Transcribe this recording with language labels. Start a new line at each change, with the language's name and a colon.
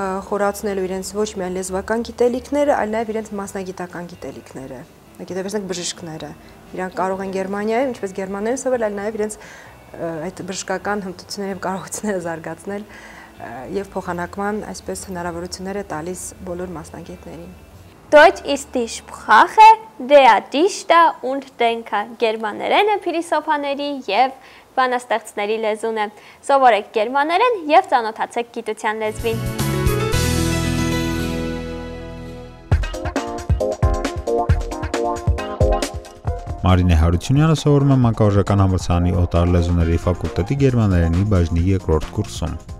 Armenian: խորացնելու իրենց ոչ միայն լեզվական գիտելիքները, այլ նաև իրենց մասնագիտական գիտելիքները, եթե վերցնենք բժիշկները, իրանք կարող են Գերմանիայում, ինչպես գերմաներն սովորել, այլ նաև իրենց այդ բժշկական հմտությունները և կարողությունները զարգացնել և փոխանակման այսպես հնարավորությունները տալիս բոլոր մասնագետներին։
German: Deutsch ist die Sprache der Dichter und Denker.
Armenian: Գերմաներենը փիլիսոփաների և բանաստեղծների լեզուն է։ Սովորեք գերմաներեն և ծանոթացեք գիտության լեզվին։ Մարինե Հարությունյանը սովորում է մանկավարժական համալսարանի օտար լեզուների ֆակուլտետի գերմաներենի բաժնի երկրորդ կուրսում։